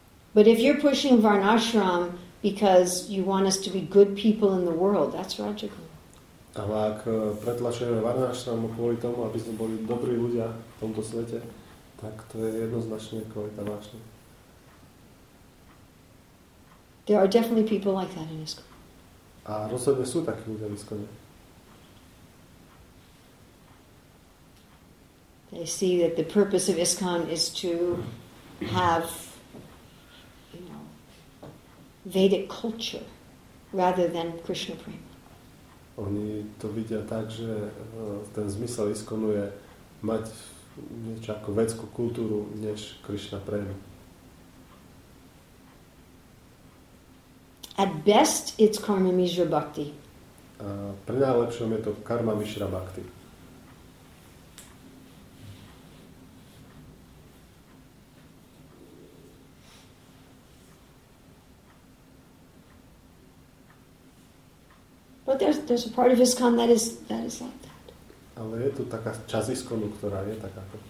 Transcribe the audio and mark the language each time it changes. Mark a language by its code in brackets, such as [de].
[en] But if you're pushing Varnashram because you want us to be good people in the world, that's rajagun. [sk] Ale ak pretlačujeme Varnashram kvôli tomu, aby sme boli dobrí ľudia v tomto svete, tak to je jednoznačne kvalita vášne. [en] There are definitely people like that in ISKCON. [sk] A rozhodne sú takí ľudia v ISKCONe. [en] They see that the purpose of ISKCON is to have, you know, Vedic culture rather than Krishna prema. [sk] Oni to vidia tak, že ten zmysel ISKCONu je mať niečo ako vedskú kultúru než Krishna prema. [en] At best it's karma mishra bhakti. [sk] A pre najlepšom je to karma mishra bhakti. [en] But there's a part of ISKCON that is like that. [sk] Ale je tu taká časť ISKCONu, ktorá je taká.